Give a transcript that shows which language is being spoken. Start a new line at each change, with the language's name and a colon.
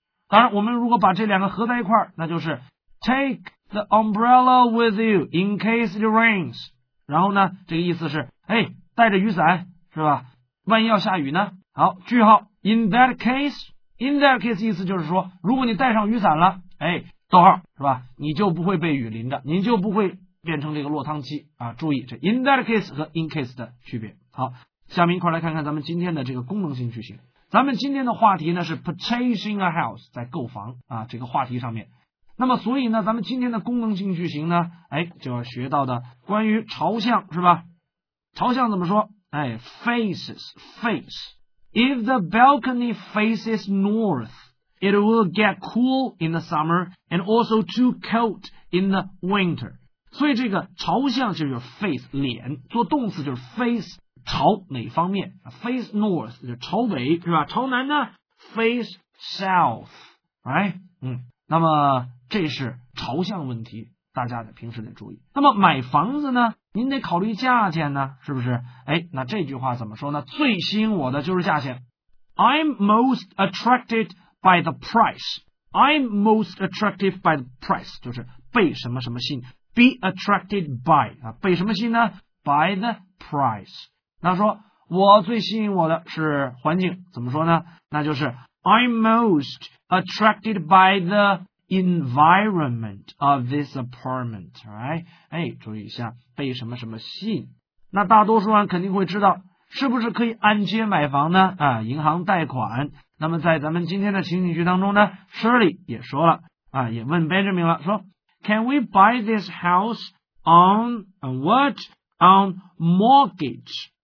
Chinese: 当然我们如果把这两个合在一块那就是
English: take the umbrella with you in case it rains
Chinese: 然后呢这个意思是哎，带着雨伞是吧万一要下雨呢好句号 in that case 意思就是说如果你带上雨伞了哎，逗号是吧你就不会被雨淋的您就不会变成这个落汤鸡啊！注意这 in that case 和 in case 的区别。好，下面一块来看看咱们今天的这个功能性句型。咱们今天的话题呢是 purchasing a house， 在购房啊这个话题上面。那么所以呢，咱们今天的功能性句型呢，哎，就要学到的关于朝向是吧？朝向怎么说？哎 ，faces。
English: If the balcony faces north, it will get cool in the summer and also too cold in the winter.
Chinese: 所以这个朝向就是 face 脸做动词就是 face 朝哪方面 ？Face north， 朝北，对吧？朝南呢 ？
English: Face south， right？
Chinese: 那么这是朝向问题，大家得平时得注意。那么买房子呢，您得考虑价钱呢，是不是？哎，那这句话怎么说呢？最吸引我的就是价钱。
English: I'm most attracted by the price. I'm most attractive by the price，
Chinese: 就是被什么什么吸引。
English: Be attracted by 啊，被什么吸引呢 ？ By the price。
Chinese: 那说我最吸引我的是环境，怎么说呢？
English: 那就是 I'm most attracted by the environment of this apartment, right?
Chinese: 哎，注意一下被什么什么吸引。那大多数人肯定会知道，是不是可以按揭买房呢？啊，银行贷款。那么在咱们今天的情景剧当中呢 ，Shirley 也说了啊，也问 Benjamin 了，说
English: Can we buy this house on what on mortgage?